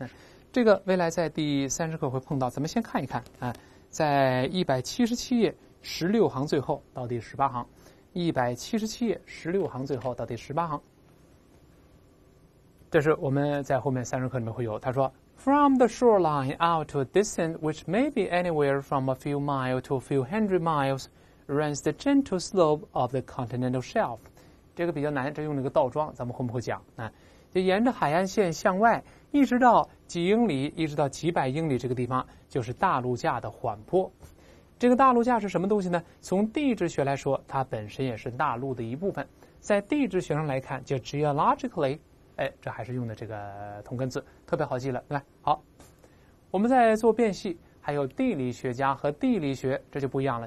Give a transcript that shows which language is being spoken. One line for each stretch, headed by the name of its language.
Chinese: 嗯，这个未来在第30课会碰到，咱们先看一看啊。在177页16行最后到第18行177页16行最后到第18行，这是我们在后面30课里面会有。
English: 他说 From the shoreline out to a distance which may be anywhere from a few miles to a few hundred miles runs the gentle slope of the continental shelf，
Chinese: 这个比较难，这用了一个倒装，咱们后面会讲啊。就沿着海岸线向外一直到几英里，一直到几百英里，这个地方就是大陆架的缓坡。这个大陆架是什么东西呢？从地质学来说，它本身也是大陆的一部分。在地质学上来看，叫 geologically， 哎，这还是用的这个同根字，特别好记了，对吧？好，我们在做变系，还有地理学家和地理学，这就不一样了。